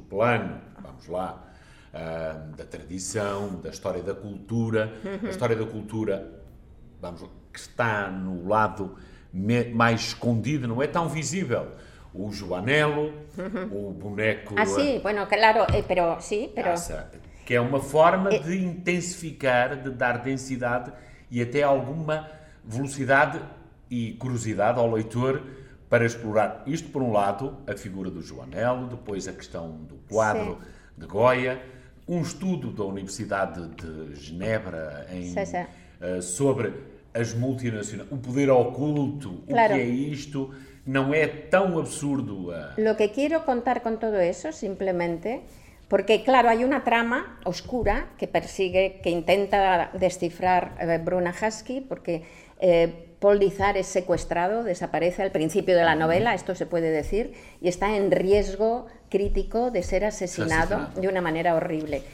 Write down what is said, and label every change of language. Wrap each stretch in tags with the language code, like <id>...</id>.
<pt>O plano, vamos lá, da tradição, da história da cultura. A história da cultura, vamos, que está no lado mais escondido, não é tão visível. O Joanelo, o boneco...</pt> <es>Ah, sim, bueno, claro, pero sí, pero...</es> <pt>Que é uma forma de intensificar, de dar densidade e até alguma velocidade e curiosidade ao leitor para explorar isto, por um lado, a figura do Joanelo, depois a questão do quadro de Goya, um estudo da Universidade de Genebra sobre as multinacionais, o poder oculto, claro, o que é isto...</pt> <es>No es tan absurdo. Lo que quiero contar con todo eso, simplemente, porque claro, hay una trama oscura que persigue, que intenta descifrar Bruna Husky, porque Paul Dizar es secuestrado, desaparece al principio de la novela, esto se puede decir, y está en riesgo crítico de ser asesinado de una manera horrible.</es>